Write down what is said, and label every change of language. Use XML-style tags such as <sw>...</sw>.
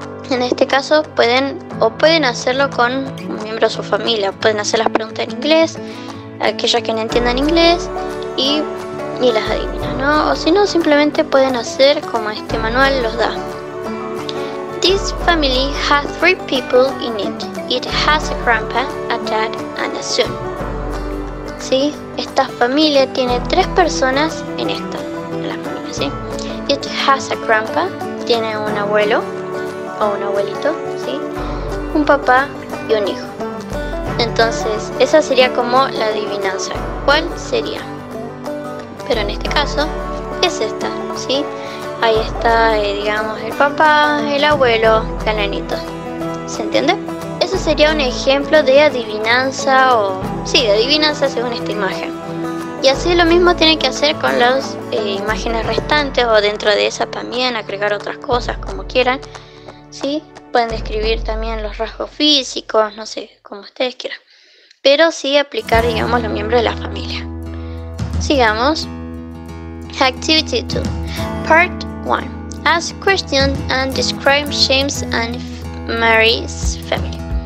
<es>En este caso pueden hacerlo con un miembro de su familia. Pueden hacer las preguntas en inglés, aquellos que no entiendan inglés, y las adivinan, ¿no? O si no, simplemente pueden hacer como este manual los da.</es> <en>This family has 3 people in it. It has a grandpa, a dad, and a son.</en> <es>¿Sí? Esta familia tiene 3 personas en esta, en la familia, ¿sí? It has a grandpa, tiene un abuelo o un abuelito, ¿sí? Un papá y un hijo. Entonces, esa sería como la adivinanza. ¿Cuál sería? Pero en este caso, es esta, ¿sí? Ahí está, digamos, el papá, el abuelo, el nenito. ¿Se entiende? Eso sería un ejemplo de adivinanza o... sí, de adivinanza según esta imagen. Y así lo mismo tiene que hacer con las imágenes restantes o dentro de esa también, agregar otras cosas, como quieran. ¿Sí? Pueden describir también los rasgos físicos, no sé, como ustedes quieran. Pero sí aplicar, digamos, los miembros de la familia.</es> <en>Sigamos. Activity 2. Part 1. Ask questions and describe James and Mary's family.</en>